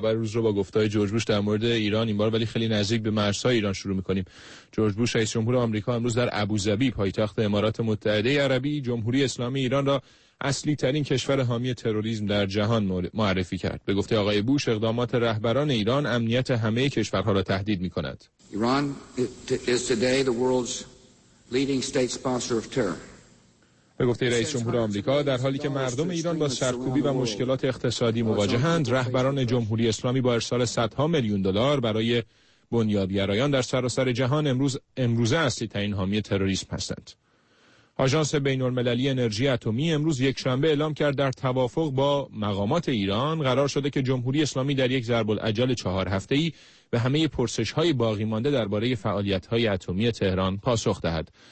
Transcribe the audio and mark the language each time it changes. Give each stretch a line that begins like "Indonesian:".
Persian: خبر روز رو با گفتای جورج بوش در مورد ایران این بار ولی خیلی نزدیک به مرزهای ایران شروع میکنیم. جورج بوش رئیس جمهور آمریکا امروز در ابوظبی پایتخت امارات متحده عربی جمهوری اسلامی ایران را اصلی ترین کشور حامی تروریسم در جهان معرفی کرد. به گفته آقای بوش اقدامات رهبران ایران امنیت همه کشورها را تهدید می‌کند.
English: Iran is today the world's leading state sponsor of terror.
Persian: به گفته رئیس جمهور آمریکا در حالی که مردم ایران با سرکوبی و مشکلات اقتصادی مواجهند، رهبران جمهوری اسلامی با ارسال صدها میلیون دلار برای بنیادگرایان در سراسر جهان امروز اصلی ترین حامی تروریسم هستند. آژانس بین‌المللی انرژی اتمی امروز یکشنبه اعلام کرد در توافق با مقامات ایران قرار شده که جمهوری اسلامی در یک ضرب العجل 4 هفته‌ای به همه پرسش‌های باقی مانده درباره فعالیت‌های اتمی تهران پاسخ دهد.